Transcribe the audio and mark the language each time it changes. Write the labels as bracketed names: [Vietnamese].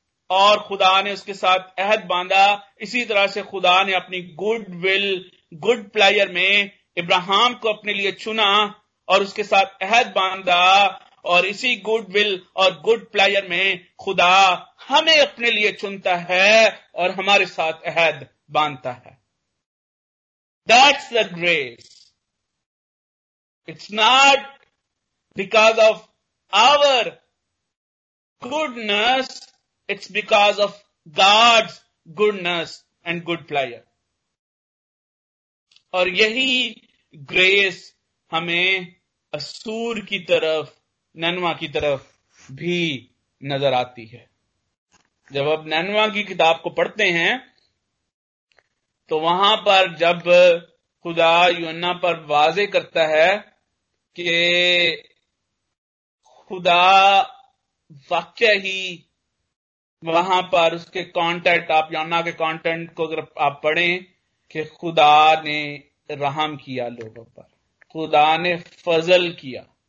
[Urdu] اور خدا نے اس کے ساتھ عہد باندھا, اسی طرح سے خدا نے اپنی [English] good will good pleasure [Urdu] میں ابراہیم کو اپنے لیے چنا اور اس کے ساتھ عہد باندھا, اور اسی گڈ ول اور گڈ پلیئر میں خدا ہمیں اپنے لیے چنتا ہے اور ہمارے ساتھ عہد باندھتا ہے. [English] That's the grace. It's not because of our goodness, it's because of God's goodness and good pleasure. [Urdu] اور یہی گریس ہمیں اسور کی طرف, ننوا کی طرف بھی نظر آتی ہے. جب آپ ننوا کی کتاب کو پڑھتے ہیں تو وہاں پر جب خدا یوحنا پر واضح کرتا ہے کہ خدا واقعی ہی وہاں پر اس کے کانٹینٹ, آپ یوحنا کے کانٹینٹ کو اگر آپ پڑھیں کہ خدا نے رحم کیا لوگوں پر, خدا نے فضل کیا,